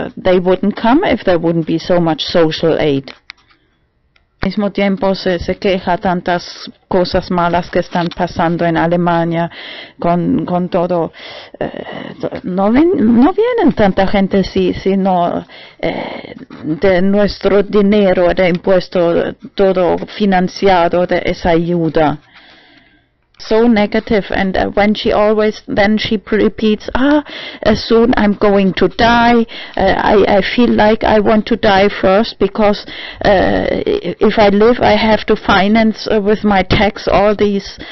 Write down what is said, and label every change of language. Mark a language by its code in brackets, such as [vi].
[en] They wouldn't come if there wouldn't be so much social aid. [es] Al mismo tiempo se queja tantas cosas malas que están pasando en Alemania con todo. No vienen tanta gente sino de nuestro dinero, de impuesto, todo financiado de esa ayuda. [en] so negative, and when she always, then she repeats, soon I'm going to die, I feel like I want to die first, because if I live, I have to finance with my tax all these...